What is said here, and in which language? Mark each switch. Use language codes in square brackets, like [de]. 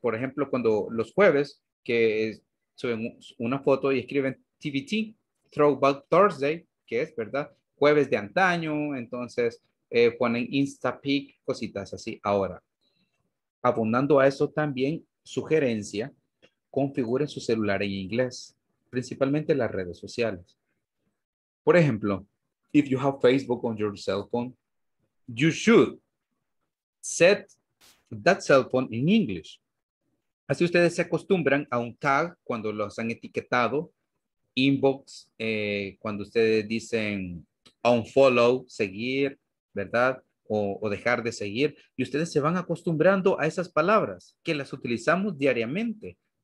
[es] Por ejemplo, cuando los jueves, que suben una foto y escriben TBT, Throwback Thursday, que es, ¿verdad? Jueves de antaño. Entonces, ponen Instapic, cositas así. Ahora, abundando a eso también, sugerencia, configuren su celular en inglés, principalmente las redes sociales. Por ejemplo, [en] if you have Facebook on your cell phone, you should set that cell phone in English. [es] Así ustedes se acostumbran a un tag cuando los han etiquetado, inbox, cuando ustedes dicen unfollow, seguir, ¿verdad? O dejar de seguir, y ustedes se van acostumbrando a esas palabras que las utilizamos diariamente.